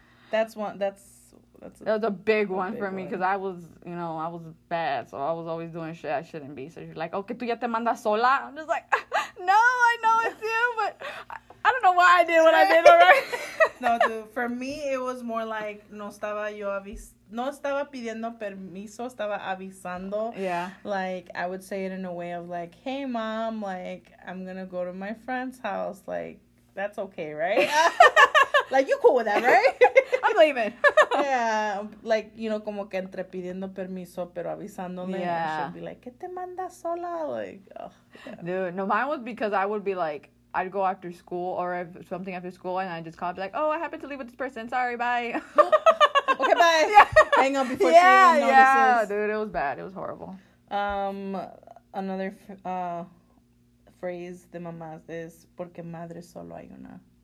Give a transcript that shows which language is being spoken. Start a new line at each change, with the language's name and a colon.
English: That was a big one for me because I was, you know, I was bad, so I was always doing shit I shouldn't be. So you're like, okay,
Spanish: tú ya te manda sola.
English: I'm just like, no, I know it's you, but I don't know why I did what I did, alright. No, dude, for me it was more like
Spanish: no estaba yo avisando. No estaba pidiendo permiso, estaba avisando.
English: Yeah. Like, I would say it in a way of like, hey, mom, like, I'm going to go to my friend's house. Like, that's okay, right? Like, you cool with that, right? I'm leaving. Yeah.
Spanish: Like, you know, como que entre pidiendo permiso, pero avisándole.
English: Yeah. And she'll be like,
Spanish: ¿qué te manda sola?
English: Like, oh. Yeah. Dude, no, mine was because I would be like, I'd go after school or if something after school, and I'd just call and be like, oh, I happen to leave with this person. Sorry, bye. Okay, bye. Yeah. Hang up before she notices. Yeah, dude, it was bad. It was horrible. Another phrase
Spanish: de mamás is, porque madre solo hay una.